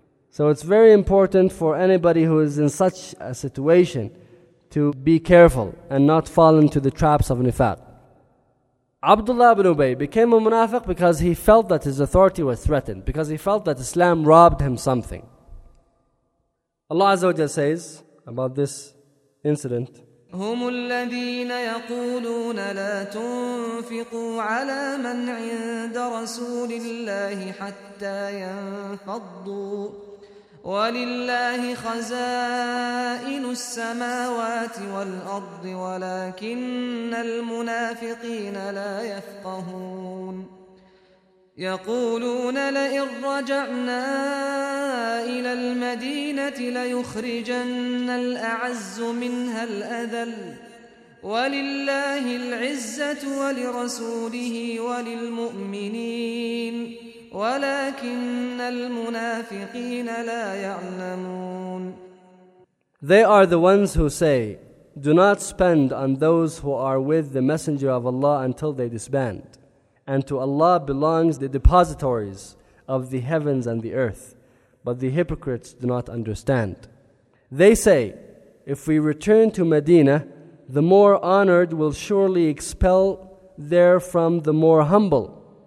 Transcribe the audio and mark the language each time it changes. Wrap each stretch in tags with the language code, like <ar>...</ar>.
<en>So it's very important for anybody who is in such a situation to be careful and not fall into the traps of nifaq. Abdullah ibn Ubay became a munafiq because he felt that his authority was threatened, because he felt that Islam robbed him something. Allah Azza wa Jalla says about this incident,</en> <ar>هم الذين يقولون لا تنفقوا على من عند رسول الله حتى ينفضوا ولله خزائن السماوات والأرض ولكن المنافقين لا يفقهون يقولون لئن رجعنا إلى المدينة ليخرجن الأعز منها الأذل ولله العزة ولرسوله وللمؤمنين ولكن المنافقين لا يعلمون.</ar> <en>They are the ones who say, do not spend on those who are with the Messenger of Allah until they disband. And to Allah belongs the depositories of the heavens and the earth. But the hypocrites do not understand. They say, if we return to Medina, the more honored will surely expel therefrom the more humble.</en>